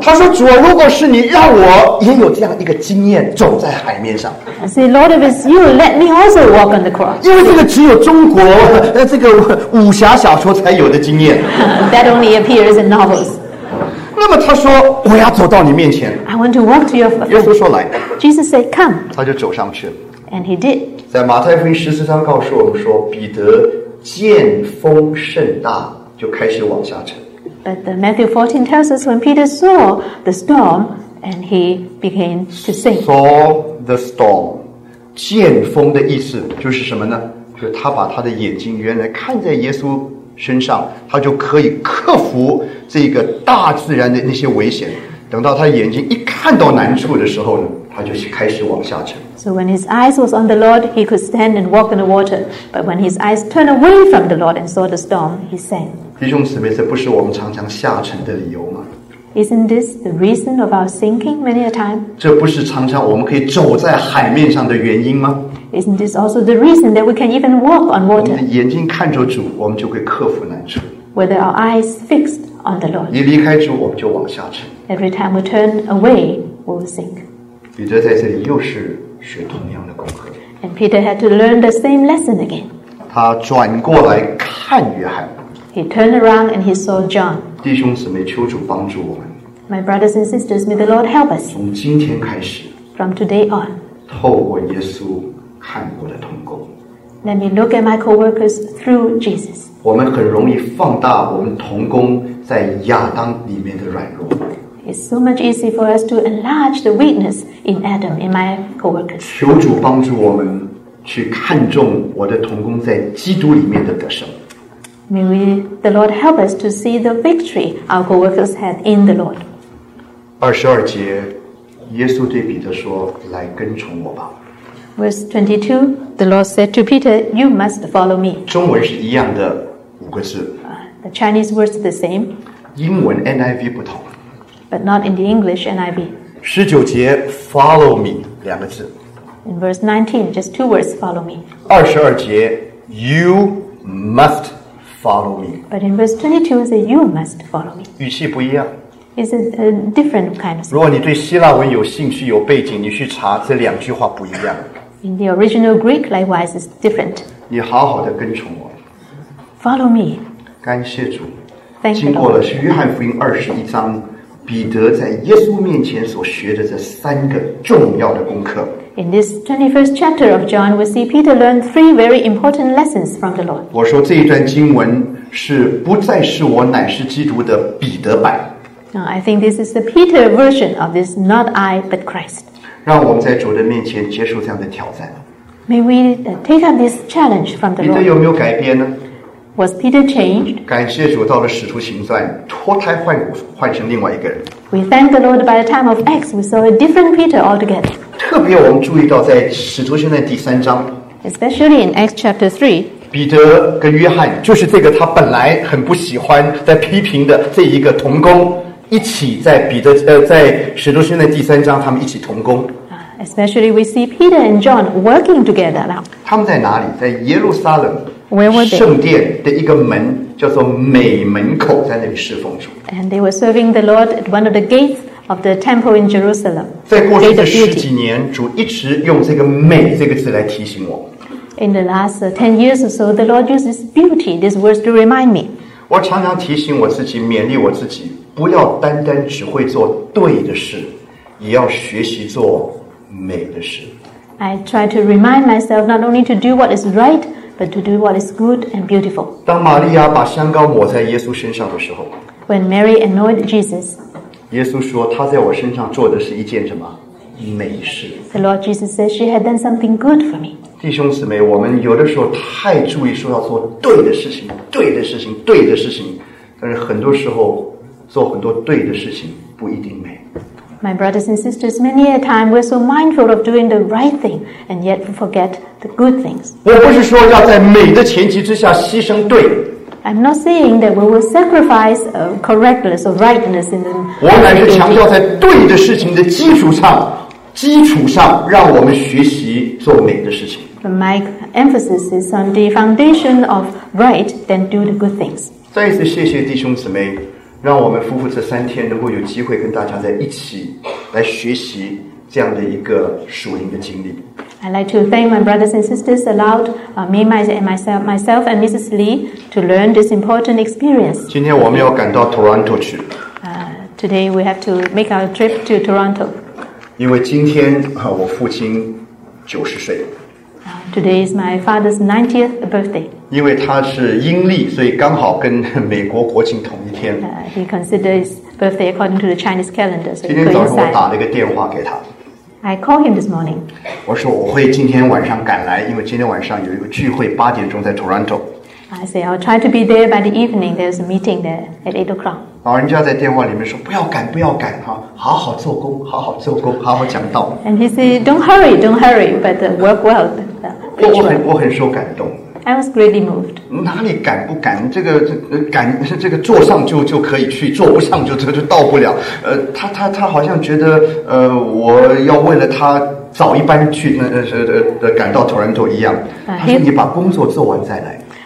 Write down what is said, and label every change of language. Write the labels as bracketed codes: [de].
[zh] 他说主啊，如果是你让我也有这样一个经验走在海面上。 [en] I say, Lord, if it's you, let me also walk on the cross. [zh] 因为这个只有中国这个武侠小说才有的经验。 [en] That only appears in novels. [zh] 那么他说我要走到你面前。 [en] I want to walk to your [zh] feet. 耶稣说来。 [en] Jesus said, come. [zh] 他就走上去了。 [en] And he did. [zh] 在马太福音14章告诉我们说，彼得见风甚大，就开始往下沉。 [en] But the Matthew 14 tells us when Peter saw the storm, and he began to sink. Saw the storm. [zh] 见风的意思就是什么呢？就是他把他的眼睛原来看在耶稣身上，他就可以克服这个大自然的那些危险。等到他眼睛一看到难处的时候呢，他就开始往下沉。 [en] So when his eyes was on the Lord, he could stand and walk in the water. But when his eyes turned away from the Lord and saw the storm, he sank. [zh] 弟兄姊妹，这不是我们常常下沉的理由吗？ [en] Isn't this the reason of our sinking many a time? [zh] 这不是常常我们可以走在海面上的原因吗？ [en] Isn't this also the reason that we can even walk on water? [zh] 我们眼睛看着主，我们就会克服难处。 [en] Whether our eyes fixed on the Lord. [zh] 一离开主，我们就往下沉。 [en] Every time we turn away, we will sink. [zh] 彼得在这里又是学同样的功课。 [en] And Peter had to learn the same lesson again. [zh] 他转过来看约翰。 [en] He turned around and he saw John. [zh] 弟兄姊妹，求主帮助我们。 [en] My brothers and sisters, may the Lord help us. [zh] 从今天开始。 [en] From today on. [zh] 透过耶稣看我的同工。 [en] Let me look at my co-workers through Jesus. [zh] 我们很容易放大我们同工在亚当里面的软弱。 [en] It's so much easier for us to enlarge the weakness in Adam, in my co-workers. [zh] 求主帮助我们去看重我的同工在基督里面的得胜。 [en] May we, the Lord help us to see the victory our co-workers had in the Lord. [zh] 22节，耶稣对彼得说，来跟从我吧。 [en] Verse 22, the Lord said to Peter, you must follow me. [zh] 中文是一样的五个字。 [en] The Chinese words are the same. [zh] 英文 NIV 不同。 [en] But not in the English NIV. [zh] 19节 [en] follow me [zh] 两个字。 [en] In verse 19, just two words, follow me. 22节 you must follow me. But in verse 22, it says you must follow me. [zh] 语气不一样。 [en] It's a different kind of. [zh] 如果你对希腊文有兴趣有背景，你去查这两句话不一样。 [en] In the original Greek, likewise, it's different. [zh] 你好好的跟从我。 [en] Follow me. [zh] 感谢主。 [en] Thank you. [zh] 经过了是约翰福音21章。彼得在耶稣面前所学的这三个重要的功课。 [en] In this 21st chapter of John, we see Peter learn 3 very important lessons from the Lord. [zh] 我说这一段经文是不再是我乃是基督的彼得版。 [en] Now, I think this is the Peter version of this, not I, but Christ. [zh] 让我们在主的面前接受这样的挑战。 [en] May we take up this challenge from the Lord. [zh] 彼得有没有改变呢？ [en] Was Peter changed? [zh] 感谢主，到了使徒行传，脱胎换骨，换成另外一个人。 [en] We thank the Lord by the time of Acts, we saw a different Peter altogether. [zh] 特别我们注意到，在使徒行传第三章 [en] ，especially in Acts chapter 3, [zh] 彼得跟约翰，就是这个他本来很不喜欢、在批评的这一个同工，一起在彼得在使徒行传第三章，他们一起同工。 [en] Especially we see Peter and John working together now. [zh] 他们在哪里？在耶路撒冷。 [en] Where were they? [zh] 圣殿的一个门叫做美门口，在那里侍奉主。 [en] And they were serving the Lord at one of the gates of the temple in Jerusalem. [zh] 在过去的十几年，主一直用这个美这个字来提醒我。 [en] In the last 10 years or so, the Lord uses beauty, these words to remind me. [zh] 我常常提醒我自己，勉励我自己，不要单单只会做对的事，也要学习做美的事。 [en] I try to remind myself not only to do what is right, but to do what is good and beautiful. [zh] 当玛利亚把香膏抹在耶稣身上的时候 [en] ，When Mary anointed Jesus, [zh] 耶稣说他在我身上做的是一件什么美事 [en] ？The Lord Jesus said she had done something good for me. [zh] 弟兄姊妹，我们有的时候太注意说要做对的事情，对的事情，对的事情，但是很多时候做很多对的事情不一定美。 [en] My brothers and sisters, many a time we're so mindful of doing the right thing, and yet we forget the good things. [zh] 我不是说要在美的前提之下牺牲对。 [en] I'm not saying that we will sacrifice correctness or rightness in the. [zh] 我乃是强调在对的事情的基础上，让我们学习做美的事情。 [en] But my emphasis is on the foundation of right, then do the good things. [zh] 再一次谢谢弟兄姊妹。让我们夫妇这三天能够有机会跟大家在一起来学习这样的一个属灵的经历。 [en] I'd like to thank my brothers and sisters aloud, me and myself and Mrs. Lee to learn this important experience. [zh] 今天我们要赶到 Toronto 去。 [en] Today we have to make our trip to Toronto. [zh] 因为今天我父亲90岁。 [en] Today is my father's 90th birthday. [zh] 因为他是阴历，所以刚好跟美国国庆同一天。 [en] He considers his birthday according to the Chinese calendar. [zh] 今天早上我打了一个电话给他。 [en] I called him this morning. [zh] 我说我会今天晚上赶来，因为今天晚上有一个聚会，8点在 Toronto. [en] I say I'll try to be there by the evening. There's a meeting there at 8:00. [zh] 老人家在电话里面说不要赶，不要赶，好好做工，好好做工，好好讲道。 [en] And he said, don't hurry, don't hurry, but work well. [zh] 我很受感动。 [en] I was greatly moved. [zh] 哪里敢不敢？这个坐上就可以去，坐不上就到不了。他好像觉得我要为了他早一班去赶到 Toronto 一样。他说你把工作做完再来。